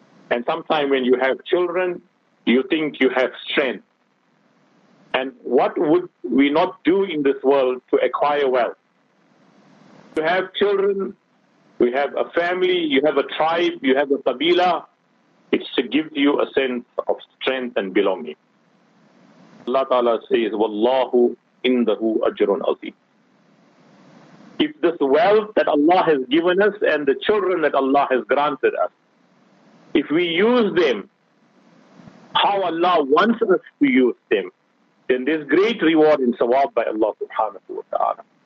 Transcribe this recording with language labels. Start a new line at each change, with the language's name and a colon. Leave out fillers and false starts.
English: And sometimes when you have children, you think you have strength. And what would we not do in this world to acquire wealth? You have children, we have a family, you have a tribe, you have a kabila. It gives you a sense of strength and belonging. Allah Ta'ala says,
Arabic: وَاللَّهُ إِنْدَهُ أَجْرٌ عَظِيمٌ.
English: If this wealth that Allah has given us and the children that Allah has granted us, if we use them, how Allah wants us to use them, then there's great reward in sawab by Allah subhanahu wa ta'ala.